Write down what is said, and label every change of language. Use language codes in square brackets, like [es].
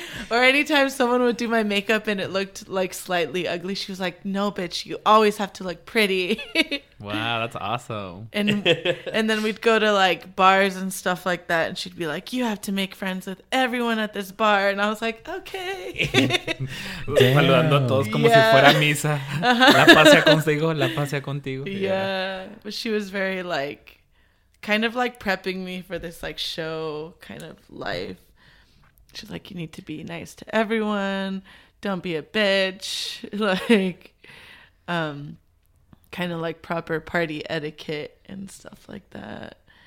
[en] Or anytime someone would do my makeup and it looked like slightly ugly, she was like, no, bitch, you always have to look pretty. Wow, that's awesome. And then we'd go to like bars and stuff like that. And she'd be like, you have to make friends with everyone at this bar. And I was like, okay. [es] Saludando a todos como si fuera misa. La pase contigo, la pase contigo. [en] Yeah. But she was very like, kind of like prepping me for this like show kind of life. She's like, you need to be nice to everyone. Don't be a bitch. Like, kind of like proper party etiquette and stuff like that.